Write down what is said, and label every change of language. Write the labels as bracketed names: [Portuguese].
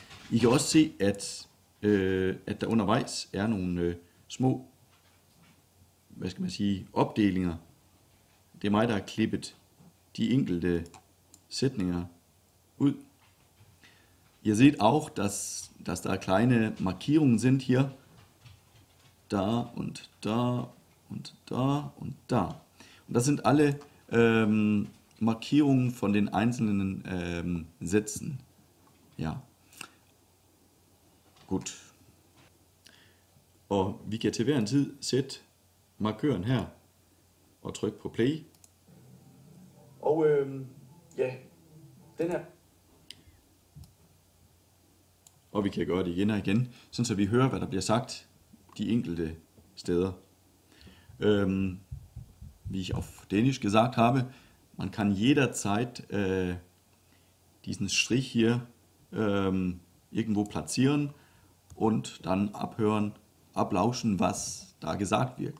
[Danish] I kan også se, at der undervejs er nogle små, hvad skal man sige, opdelinger. Det er mig, der har klippet de enkelte sætninger ud. [German] Ihr seht auch, dass da kleine Markierungen sind hier. Da und da und da und da. Und das sind alle Markierungen von den einzelnen Sätzen. Ja. Gut. [Danish] Og vi kan til hver en tid sætte markøren her og trykke på play. Og ja, den her. Og vi kan gøre det igen og igen, sådan så vi hører, hvad der bliver sagt de enkelte steder. [German] Wie ich auf Dänisch gesagt habe, man kann jederzeit diesen Strich hier irgendwo platzieren und dann abhören, ablauschen, was da gesagt wird.